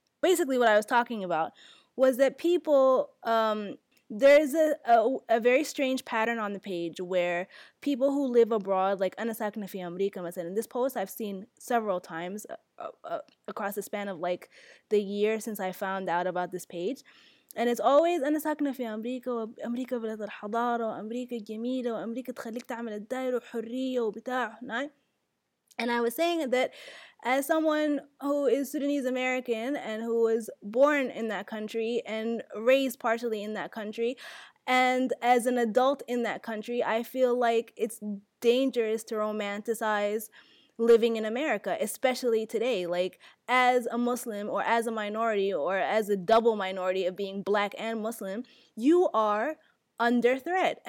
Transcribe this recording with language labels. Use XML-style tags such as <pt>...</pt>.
<en>Basically, what I was talking about was that people, there's a very strange pattern on the page where people who live abroad, like</en> <ar>أنا ساكنة في أمريكا, مثلا,</ar> <en>this post I've seen several times across the span of like the year since I found out about this page. And it's always</en> <ar>أنا ساكنة في أمريكا, أمريكا بلد الحضارة, أمريكا جميلة, أمريكا تخليك تعمل الدائرة حرية وبتاع.</ar> <en>And I was saying that as someone who is Sudanese American and who was born in that country and raised partially in that country, and as an adult in that country, I feel like it's dangerous to romanticize living in America, especially today, like as a Muslim or as a minority or as a double minority of being black and Muslim, you are under threat.</en>